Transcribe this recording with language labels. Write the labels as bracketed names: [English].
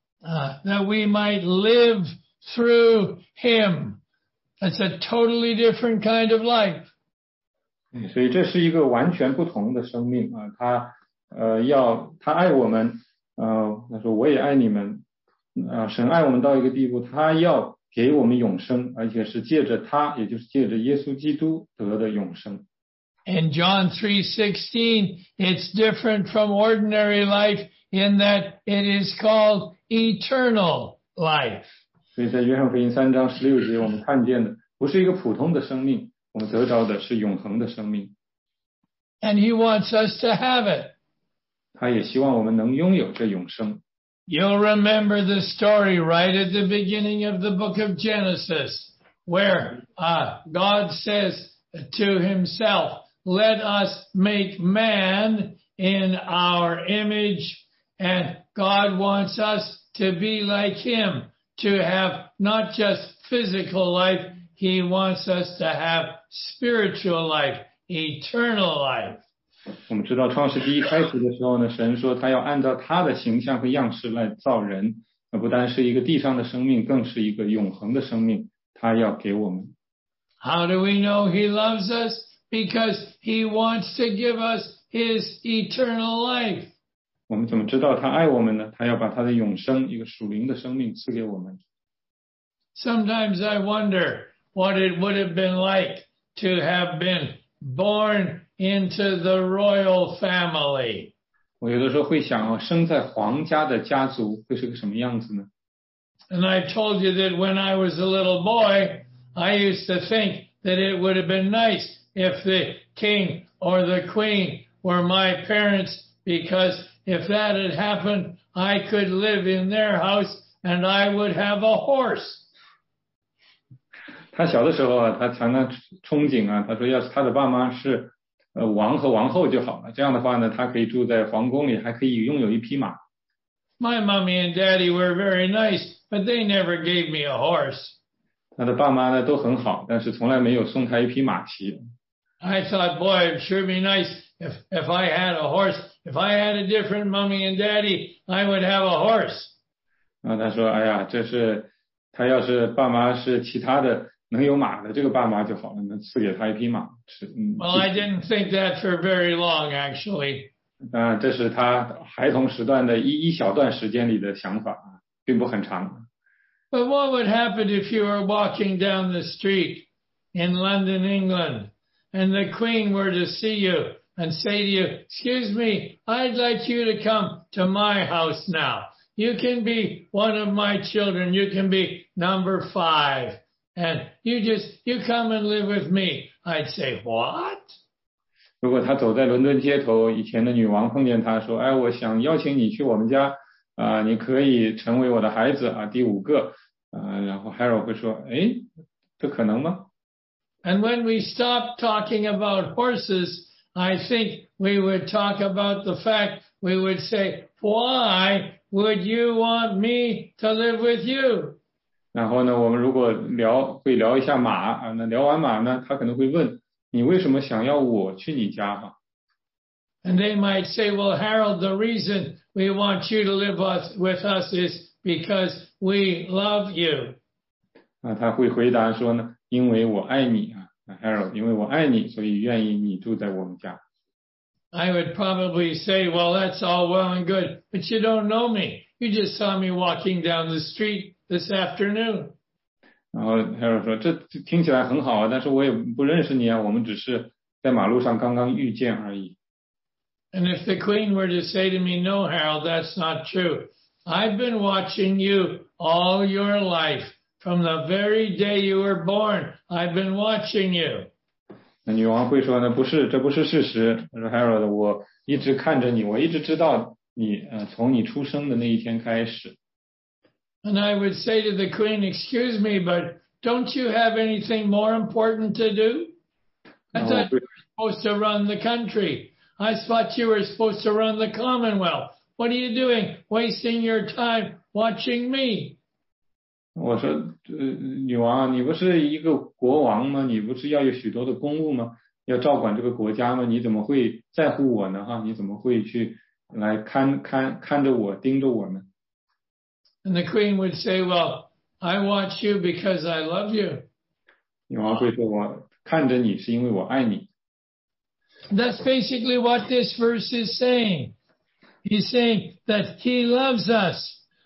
[English] That we might live through him. That's a totally different kind of life. [Chinese] 所以这是一个完全不同的生命啊，他爱我们，他说我也爱你们，神爱我们到一个地步，他要给我们永生，而且是借着他，也就是借着耶稣基督得的永生。 [English] In John 3:16, it's different from ordinary life in that it is called eternal life. [Chinese] 所以在约翰福音三章十六节，我们看见的不是一个普通的生命。我们得着的是永恒的生命。 [English] And he wants us to have it. [Chinese] 他也希望我们能拥有这永生。 [English] You'll remember the story right at the beginning of the book of Genesis, where God says to himself, let us make man in our image, and God wants us to be like him, to have not just physical life,He wants us to have spiritual life, eternal life. [Chinese] 我们知道创世纪一开始的时候呢，神说他要按照他的形象和样式来造人，那不单是一个地上的生命，更是一个永恒的生命，他要给我们。 [English] How do we know he loves us? Because he wants to give us his eternal life. [Chinese] 我们怎么知道他爱我们呢？他要把他的永生，一个属灵的生命赐给我们。 [English] Sometimes I wonder,what it would have been like to have been born into the royal family. [Chinese] 我有的时候会想，生在皇家的家族会是个什么样子呢？ [English] And I told you that when I was a little boy, I used to think that it would have been nice if the king or the queen were my parents, because if that had happened, I could live in their house and I would have a horse. [Chinese] 他小的时候啊，他常常憧憬啊，他说要是他的爸妈是王和王后就好了，这样的话呢，他可以住在皇宫里，还可以拥有一匹马。 [English] My mommy and daddy were very nice, but they never gave me a horse. [Chinese] 他的爸妈呢都很好，但是从来没有送他一匹马骑。 [English] I thought, boy, it sure be nice if I had a horse. If I had a different mommy and daddy, I would have a horse. [Chinese] 那他说，哎呀，这是他要是爸妈是其他的。能有马的这个爸妈就好了，能赐给他一匹马。 [English] Well, I didn't think that for very long, actually. [Chinese] 这是他孩童时段的一小段时间里的想法，并不很长。 [English] But what would happen if you were walking down the street in London, England, and the Queen were to see you and say to you, excuse me, I'd like you to come to my house now. You can be one of my children. You can be number five. And you come and live with me. I'd say, what? [Chinese] 如果他走在伦敦街头，以前的女王碰见他说，哎，我想邀请你去我们家，你可以成为我的孩子，第五个，然后 Harold 会说，哎，这可能吗？ [English] And when we stop talking about horses, I think we would talk about the fact, we would say, why would you want me to live with you? [Chinese] 然后呢，我们如果聊一下马啊，那聊完马呢，他可能会问你为什么想要我去你家哈。 [English] And they might say, well, Harold, the reason we want you to live with us is because we love you. [Chinese] 他会回答说呢，因为我爱你啊，Harold, 因为我爱你，所以愿意你住在我们家。 [English] I would probably say, well, that's all well and good, but you don't know me. You just saw me walking down the street this afternoon. [Chinese] 然后 Harold 说，这听起来很好啊，但是我也不认识你啊，我们只是在马路上刚刚遇见而已。 [English] And if the queen were to say to me, no, Harold, that's not true. I've been watching you all your life. From the very day you were born, I've been watching you. [Chinese] 那女王会说呢，不是，这不是事实。Harold, 我一直看着你，我一直知道你，从你出生的那一天开始。 [English] And I would say to the queen, excuse me, but don't you have anything more important to do? I thought you were supposed to run the country. I thought you were supposed to run the Commonwealth. What are you doing? Wasting your time watching me. [Chinese] 我说，女王，你不是一个国王吗？你不是要有许多的公务吗？要照管这个国家吗？你怎么会在乎我呢？你怎么会去来看着我，盯着我呢？ [English] And the queen would say, well, I watch you because I love you. [Chinese] 女王会说，我看着你是因为我爱你。 [English] That's basically what this verse is saying. He's saying that he loves us.